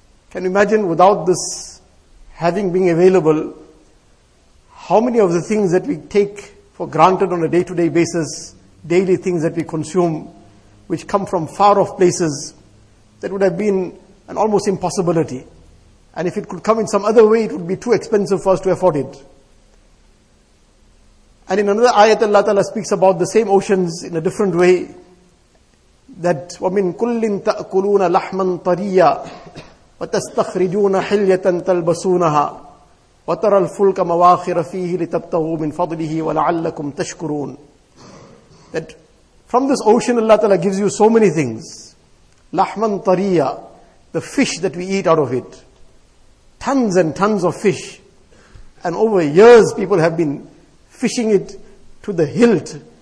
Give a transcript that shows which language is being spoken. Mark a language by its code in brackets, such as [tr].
[en] Can you imagine without this having been available, how many of the things that we take for granted on a day-to-day basis, daily things that we consume, which come from far-off places, that would have been an almost impossibility. And if it could come in some other way, it would be too expensive for us to afford it. And in another ayat, Allah Ta'ala speaks about the same oceans in a different way, that [ar] وَمِن كُلِّن تَأْكُلُونَ لَحْمًا طَرِيًّا وَتَسْتَخْرِجُونَ حِلْيَةً تَلْبَسُونَهَا وَتَرَى الْفُلْكَ مَوَاخِرَ فِيهِ لِتَبْتَغُوا مِنْ فَضْلِهِ وَلَعَلَّكُمْ تَشْكُرُونَ. [en] That from this ocean Allah Ta'ala gives you so many things. [ar] لَحْمًا طَرِيًّا, [en] the fish that we eat out of it. Tons and tons of fish. And over years people have been fishing it to the hilt.